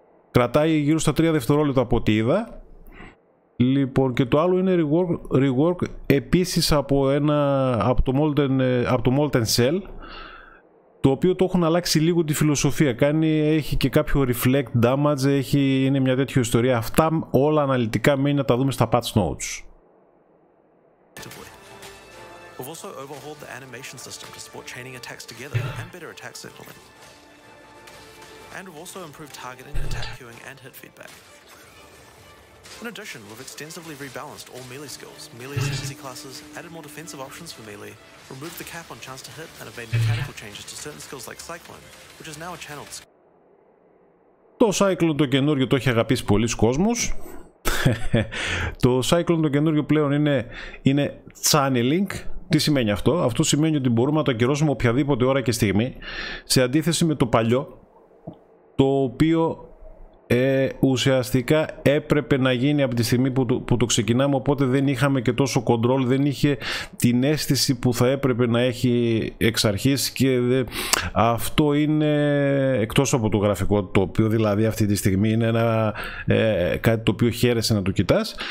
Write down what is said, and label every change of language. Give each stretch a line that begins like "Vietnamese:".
Greek: Κρατάει γύρω στα 3 δευτερόλεπτα από ό,τι είδα. Λοιπόν, και το άλλο είναι rework επίσης από το Molten Cell, το οποίο το έχουν αλλάξει λίγο τη φιλοσοφία. Έχει και κάποιο reflect damage, είναι μια τέτοια ιστορία. Αυτά όλα αναλυτικά μένει να τα δούμε στα patch notes.
English: We've also overhauled the animation system to support chaining attacks together and better attack signaling. And we've also improved targeting, attack queuing and hit feedback. In addition, we've extensively rebalanced all melee skills, melee efficiency classes, added more defensive options for melee, removed the cap on chance to hit, and have made mechanical changes to certain skills like Cyclone, which is now a channeled skill.
Greek: Το Cyclone το καινούριο το έχει αγαπήσει πολλοίς κόσμος. Το Cyclone το καινούριο πλέον είναι channeling. Τι σημαίνει αυτό? Αυτό σημαίνει ότι μπορούμε να το ακυρώσουμε οποιαδήποτε ώρα και στιγμή, σε αντίθεση με το παλιό, το οποίο ουσιαστικά έπρεπε να γίνει από τη στιγμή που το ξεκινάμε, οπότε δεν είχαμε και τόσο control, δεν είχε την αίσθηση που θα έπρεπε να έχει εξ αρχής, και αυτό είναι εκτός από το γραφικό, το οποίο δηλαδή αυτή τη στιγμή είναι κάτι το οποίο χαίρεσαι να το κοιτάς.